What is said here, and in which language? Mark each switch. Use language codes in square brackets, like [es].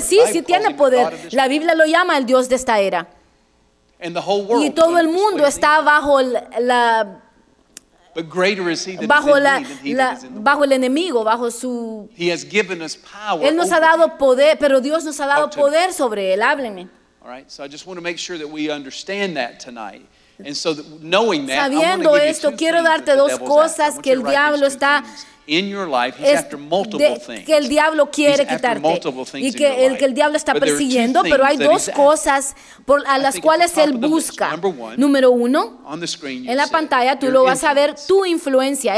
[es] Sí, sí tiene poder. La Biblia lo llama el Dios de esta era. Y todo el mundo está bajo el enemigo. Él nos ha dado poder, pero Dios nos ha dado poder sobre él. Hábleme. [en] All right. So I just want to make sure that we understand that tonight. And so knowing that, [es] sabiendo esto, quiero darte dos cosas que el diablo está [en] in your life. He's after multiple things. [es] Que el diablo quiere quitarte y que el diablo está persiguiendo, pero hay dos cosas a las cuales él busca. Número uno, en la pantalla tú lo vas a ver, tu influencia.